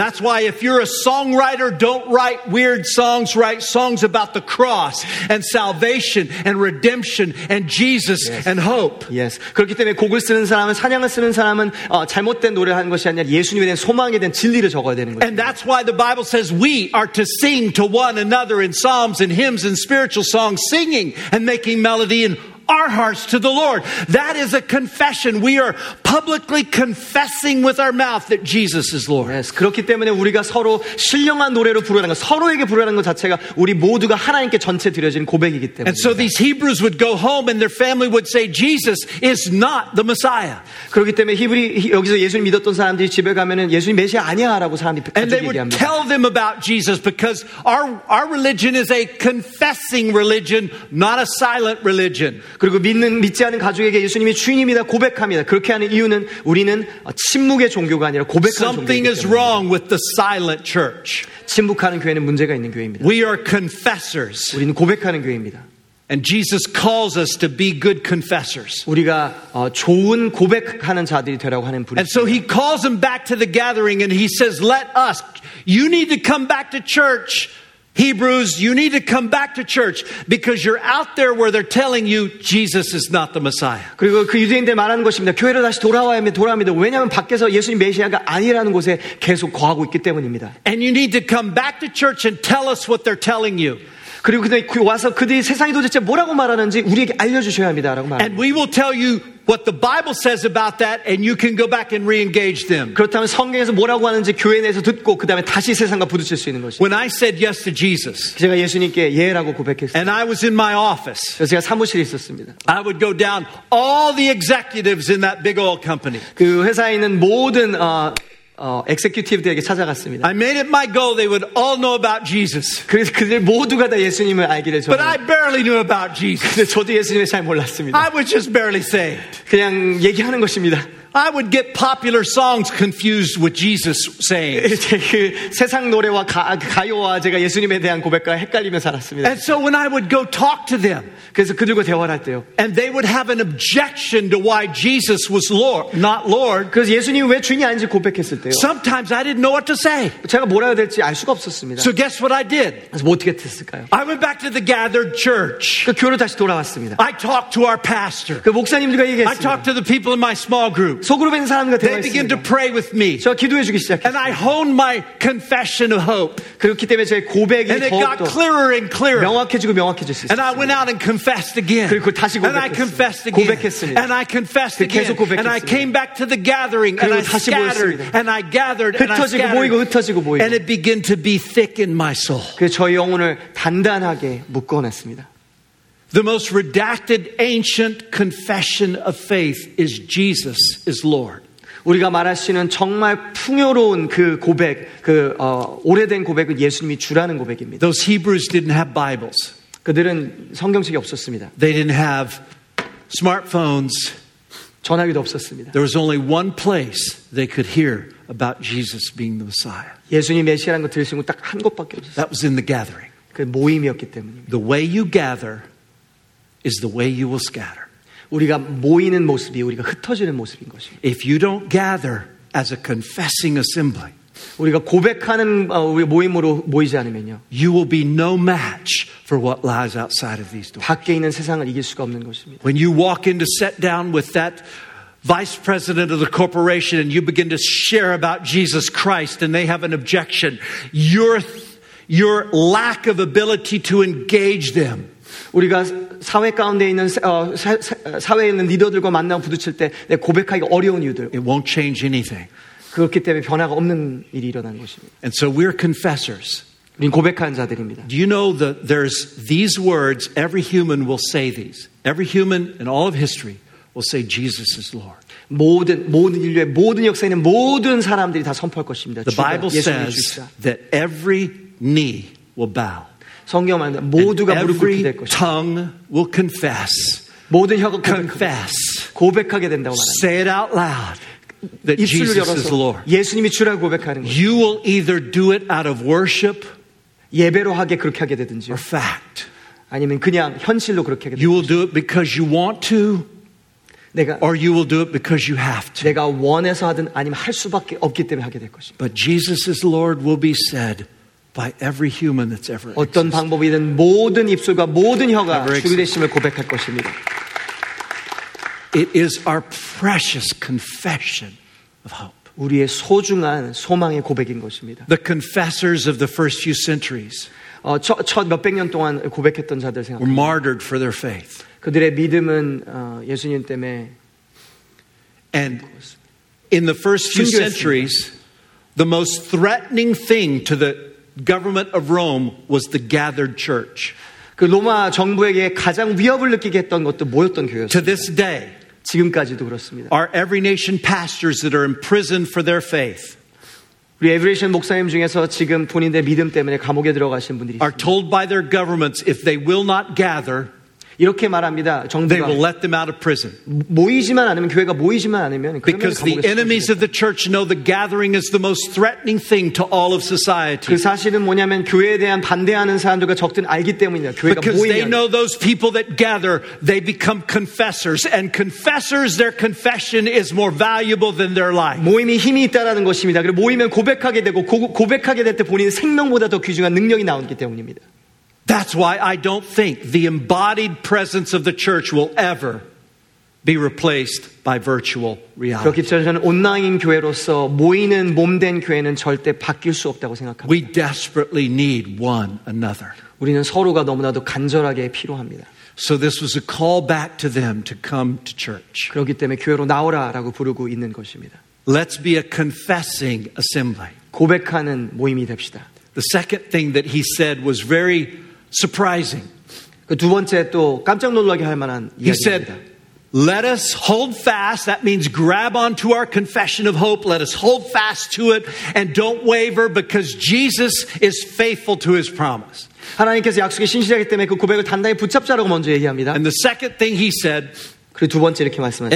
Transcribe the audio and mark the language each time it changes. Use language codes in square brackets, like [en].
[en] That's why if you're a songwriter, don't write weird songs. Write songs about the cross and salvation and redemption and Jesus yes. and hope. Yes. [ko] 그렇기 때문에 곡을 쓰는 사람은 찬양을 쓰는 사람은 잘못된 노래를 하는 것이 아니라 예수님에 대한 소망에 대한 진리를 적어야 되는 거예요. [en] And that's why the Bible says we are to sing to one another in psalms and hymns and spiritual songs, singing and making melody in our hearts to the Lord. That is a confession. We are publicly confessing with our mouth that Jesus is Lord. Yes. [ko] 그렇기 때문에 우리가 서로 신령한 노래로 부르는 것, 서로에게 부르는 것 자체가 우리 모두가 하나님께 전체 드려진 고백이기 때문에. [en] And so these Hebrews would go home, and their family would say, "Jesus is not the Messiah." [ko] 그렇기 때문에 히브리 여기서 예수님 믿었던 사람들이 집에 가면은 예수님 메시아 아니야라고 사람이 가족에게 얘기합니다. [en] And they would tell them about Jesus because our religion is a confessing religion, not a silent religion. [ko] 그리고 믿지 않은 가족에게 예수님이 주인입니다 고백합니다. 그렇게 하는 이유는 우리는 침묵의 종교가 아니라 고백하는 종교입니다. [en] Something is wrong with the silent church. [ko] 침묵하는 교회는 문제가 있는 교회입니다. [en] We are confessors. [ko] 우리는 고백하는 교회입니다. [en] And Jesus calls us to be good confessors. [ko] 우리가 좋은 고백하는 자들이 되라고 하는 부르심. [en] And so he calls them back to the gathering and he says, "Let us. You need to come back to church." Hebrews, you need to come back to church because you're out there where they're telling you Jesus is not the Messiah. [ko] 그리고 그 유대인들 말하는 것입니다. 교회를 다시 돌아와야 합니다. 돌아와야 합니다. 왜냐하면 밖에서 예수님 메시아가 아니라는 곳에 계속 거하고 있기 때문입니다. [en] And you need to come back to church and tell us what they're telling you. [ko] 그리고 그들이 와서 그들이 세상이 도대체 뭐라고 말하는지 우리에게 알려주셔야 합니다라고 말합니다. [en] And we will tell you what the Bible says about that, and you can go back and re-engage them. [ko] 그렇다면 성경에서 뭐라고 하는지 교회 내에서 듣고 그 다음에 다시 세상과 부딪힐 수 있는 것이. [en] When I said yes to Jesus, [ko] 제가 예수님께 예라고 고백했어요. [en] And I was in my office. [ko] 제가 사무실에 있었습니다. [en] I would go down all the executives in that big oil company. [ko] 그 회사에 있는 모든 executive들에게 찾아갔습니다. [en] I made it my goal they would all know about Jesus. [ko] 그래서 그들 모두가 다 예수님을 알기를 전. [en] But I barely knew about Jesus. [ko] 근데 저도 예수님을 잘 몰랐습니다. [en] I was just barely saved. [ko] 그냥 얘기하는 것입니다. [en] I would get popular songs confused with Jesus saying. [ko] 세상 노래와 가요와 제가 예수님에 대한 고백과 헷갈리며 살았습니다. [en] And so when I would go talk to them, [ko] 그래서 그들과 대화를 할 때요. [en] And they would have an objection to why Jesus was Lord, not Lord. [ko] 그래서 예수님이 왜 주인이 아닌지 고백했을 때요. [en] Sometimes I didn't know what to say. [ko] 제가 뭐라 해야 될지 알 수가 없었습니다. [en] So guess what I did? [ko] 그래서 뭐 어떻게 했을까요? [en] I went back to the gathered church. [ko] 그 교회로 다시 돌아왔습니다. [en] I talked to our pastor. [ko] 그 목사님들과 얘기했습니다. [en] I talked to the people in my small group. They begin to pray with me. [ko] 제가 기도해 주기 시작했어요. [en] And I honed my confession of hope. [ko] 그렇기 때문에 제 고백이 더욱더 [en] And it got clearer and clearer. [ko] 명확해지고 명확해졌어요. [en] And I went out and confessed again. [ko] 그리고 다시 고백했어요. [en] And I confessed again. [ko] 고백했습니다. [en] And I confessed again. [ko] 계속 고백했어요. [en] And I came back to the gathering and I scattered and I gathered and I scattered. [ko] 흩어지고 모이고 흩어지고 모이고. [en] And it began to be thick in my soul. [ko] 그래서 저의 영혼을 단단하게 묶어냈습니다. [en] The most redacted ancient confession of faith is Jesus is Lord. [ko] 우리가 말할 수 있는 정말 풍요로운 그 고백, 그 오래된 고백은 예수님이 주라는 고백입니다. [en] Those Hebrews didn't have Bibles. [ko] 그들은 성경책이 없었습니다. [en] They didn't have smartphones. [ko] 전화기도 없었습니다. [en] There was only one place they could hear about Jesus being the Messiah. [ko] 예수님이 메시아라는 걸 들을 수 있는 딱 한 곳밖에 없었어요. [en] That was in the gathering. [ko] 그 모임이었기 때문입니다. [en] The way you gather is the way you will scatter. [ko] 우리가 모이는 모습이 우리가 흩어지는 모습인 것입니다. [en] If you don't gather as a confessing assembly, [ko] 우리가 고백하는 우리 모임으로 모이지 않으면요, [en] you will be no match for what lies outside of these doors. [ko] 밖에 있는 세상을 이길 수가 없는 것입니다. [en] When you walk in to sit down with that vice president of the corporation and you begin to share about Jesus Christ and they have an objection, your lack of ability to engage them. [ko] 우리가 사회 가운데 있는 사회에 있는 리더들과 만나고 부딪힐 때 내 고백하기 어려운 이유들. [en] It won't change anything. [ko] 그렇기 때문에 변화가 없는 일이 일어난 것입니다. [en] And so we're confessors. [ko] 우리는 고백하는 자들입니다. [en] Do you know that there's these words every human will say these. Every human in all of history will say Jesus is Lord. [ko] 모든 인류의 모든 역사에 있는 모든 사람들이 다 선포할 것입니다. [en] The Bible says that every knee will bow. [ko] 성경 말한다. 모두가 무릎 꿇게 될 것이다. [en] Tongue will confess. [ko] 모든 혀가 [en] confess. [ko] 고백하게 된다고 말한다. [en] Say it out loud. that Jesus is Lord. [ko] 예수님이 주라고 고백하는 거예요. [en] You will either do it out of worship [ko] 예배로 하게 그렇게 하게 되든지 [en] or fact. [ko] 아니면 그냥 현실로 그렇게 하게 [en] You will do it because you want to [ko] 내가 [en] or you will do it because you have to. [ko] 내가 원해서 하든 아니면 할 수밖에 없기 때문에 하게 될 것이. [en] But Jesus is Lord will be said by every human that's ever existed. [ko] 어떤 방법이든 모든 입술과 모든 혀가 주 되심을 고백할 것입니다. [en] It is our precious confession of hope. [ko] 우리의 소중한 소망의 고백인 것입니다. [en] The confessors of the first few centuries. [ko] 첫 몇백 년 동안 고백했던 자들 생각. [en] Were martyred for their faith. [ko] 그들의 믿음은 예수님 때문에. [en] And in the first few centuries, the most threatening thing to the government of Rome was the gathered church. [ko] 그 로마 정부에게 가장 위협을 느끼게 했던 것도 모였던 교회였어요. [en] To this day, [ko] 지금까지도 그렇습니다. [en] Are every nation pastors that are imprisoned for their faith? [ko] 우리 every nation 목사님 중에서 지금 본인들의 믿음 때문에 감옥에 들어가신 분들이 [en] are told by their governments if they will not gather, [ko] 이렇게 말합니다. 정부가 [en] they will let them out of prison. [ko] 모이지만 않으면 교회가 모이지만 않으면 [en] because the enemies of the church know the gathering is the most threatening thing to all of society. [ko] 그 사실은 뭐냐면 교회에 대한 반대하는 사람들과 적든 알기 때문이야. 교회가 모이면 [en] because they know those people that gather, they become confessors, and confessors, their confession is more valuable than their life. [ko] 모임이 힘이 있다라는 것입니다. 그리고 모이면 고백하게 되고 고백하게 될 때 본인 생명보다 더 귀중한 능력이 나오기 때문입니다. [en] That's why I don't think the embodied presence of the church will ever be replaced by virtual reality. [ko] 그렇기 때문에 저는 온라인 교회로서 모이는 몸된 교회는 절대 바뀔 수 없다고 생각합니다. [en] We desperately need one another. [ko] 우리는 서로가 너무나도 간절하게 필요합니다. [en] So this was a call back to them to come to church. [ko] 그렇기 때문에 교회로 나오라라고 부르고 있는 것입니다. [en] Let's be a confessing assembly. [ko] 고백하는 모임이 됩시다. [en] The second thing that he said was very surprising. [ko] 그 두 번째 또 깜짝 놀라게 할 만한 이야기입니다. [en] He said, "Let us hold fast." That means grab onto our confession of hope. Let us hold fast to it and don't waver because Jesus is faithful to His promise. [ko] 하나님께서 약속에 신실하기 때문에 그 고백을 단단히 붙잡자라고 먼저 얘기합니다. [en] And the second thing he said. [ko] 그리고 두 번째 이렇게 말씀하셨어요.